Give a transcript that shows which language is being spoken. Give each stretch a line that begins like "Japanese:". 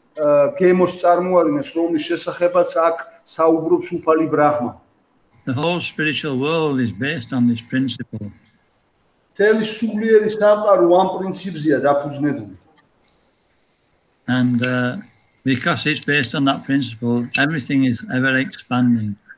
Georgian: გემოს წარმოადგენს, რომლის შესახებაც აქ საუბრობს უფალი ბრაჰმა.
English: The whole spiritual world is based on this principle.
Georgian: Თელი სულიერი სამყარო ამ პრინციპზეა დაფუძნებული.
English: And because it's based on that principle, everything is ever expanding.